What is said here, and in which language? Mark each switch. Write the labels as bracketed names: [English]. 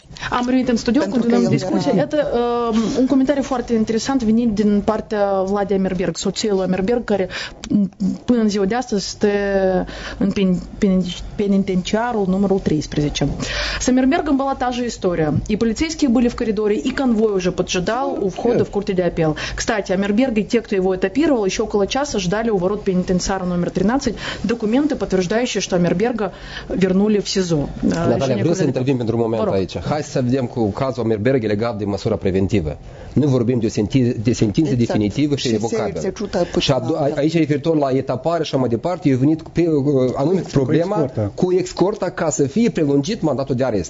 [Romanian] Am revenit în studio, continuăm discuția. Iată un comentariu foarte interesant venit din partea Vladimir Berg, soției lui Merberg, care până în ziua de astăzi stă în penitenciarul numărul 13. Să Merberg îmbăla ta же istoria. [Russian] И полицейские были в коридоре, и конвой уже поджидал у входа в Курте де Апел. Кстати, Мерберг и те, кто его этапировал, еще около часа ждали у ворот пенитенциара номер 13 документы, подтверждающие, что Мерберга вернули в СИЗО. [Romanian] Наталья, vreau să intervin pentru un moment aici. Hai să vedem cu cazul Merberg legat de măsura preventivă. Nu vorbim de o sentință definitivă și revocabilă. Și aici referitor la etapare și mai departe, e venit pe anume problema cu escorta ca să fie prelungit mandatul de arest.